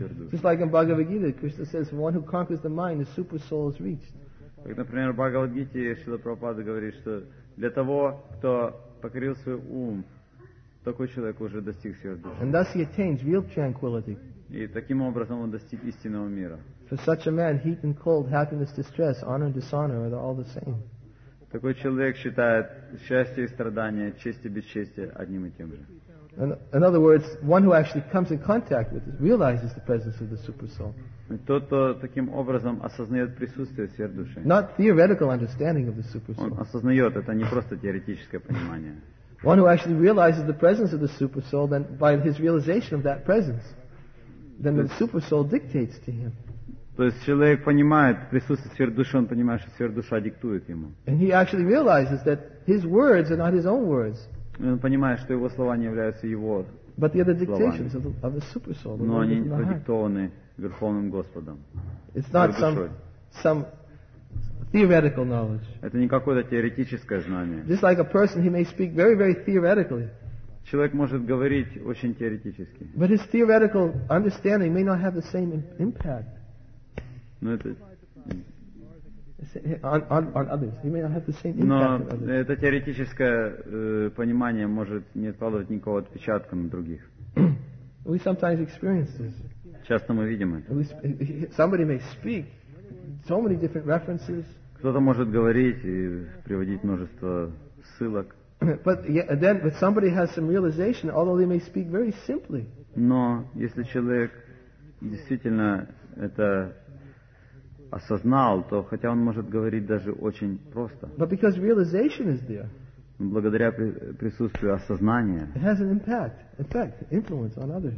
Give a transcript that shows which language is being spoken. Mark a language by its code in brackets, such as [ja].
[en] Just like in Bhagavad Gita, Krishna says, for one who conquers the mind, the super soul is reached. [ru] Как, например, в Бхагавад Гите Шрила Прабхупада говорит, что для того, кто покорил свой ум, такой человек уже достиг сверхдуши. [en] And thus he attains real tranquility. [ru] И таким образом он достиг истинного мира. [en] For such a man, heat and cold, happiness, distress, honor and dishonor are all the same. [ru] Такой человек считает счастье и страдания, честь и бесчестие одним и тем же. [en] In other words, one who actually comes in contact with it realizes the presence of the super soul. [ru] Тот, кто таким образом осознает присутствие сверхдуши. [en] Not theoretical understanding of the super soul. [ru] Он осознает это не просто теоретическое понимание. [en] One who actually realizes the presence of the super soul, then by his realization of that presence, then the super soul dictates to him. [ru] То есть человек понимает присутствие сверхдуши, он понимает, что сверхдуша диктует ему. [en] And he actually realizes that his words are not his own words. [ru] И он понимает, что его слова не являются его словами. [en] But they are the dictations of the super soul. [ru] Но они продиктованы Верховным Господом. [en] It's not some theoretical knowledge. [ru] Это не какое-то теоретическое знание. [en] Just like a person, he may speak very, very theoretically. [ru] Человек может говорить очень теоретически. [en] But his theoretical understanding may not have the same impact. [ru] Но это [en] on others. He may not have the same impact. Но [ru] это теоретическое понимание может не откладывать никакого отпечатка на других. [en] We sometimes experience this. [ru] Часто мы видим это. [en] Somebody may speak so many different references. [ru] Кто-то может говорить и приводить множество ссылок. [en] But somebody has some realization, although they may speak very simply. [ru] Но если человек действительно это осознал, то хотя он может говорить даже очень просто. [en] But because realization is there. [ru] Благодаря присутствию осознания. [en] It has an impact, effect, influence on others.